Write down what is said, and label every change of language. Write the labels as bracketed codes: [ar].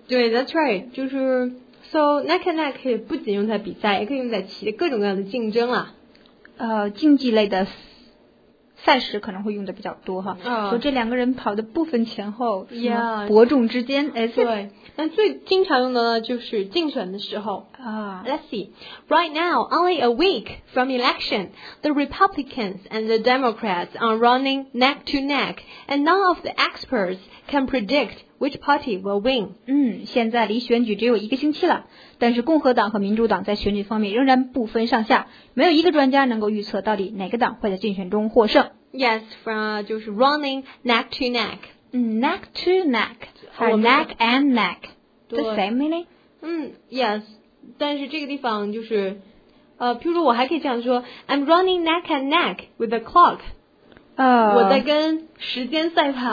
[zh] 对 [en] that's right [zh] 就是 so neck and neck 不仅用在比赛也可以用在各种各样的竞争啊竞技类的赛事可能会用的比较多哈，说这两个人跑的不分前后，伯仲之间。对，那最经常用的呢就是竞选的时候。 [en] Let's see. Right now, only a week from election, the Republicans and the Democrats are running neck to neck, and none of the experts can predict which party will win. [zh] 现在离选举只有一个星期了，但是共和党和民主党在选举方面仍然不分上下，没有一个专家能够预测到底哪个党会在竞选中获胜。 [en] Yes, from [zh] 就是 [en] running neck to neck. Neck to neck, or neck and neck, the same meaning? Yes. [zh] 但是这个地方就是譬如说我还可以这样说 [en] I'm running neck and neck with the clock [zh] 我在跟时间赛跑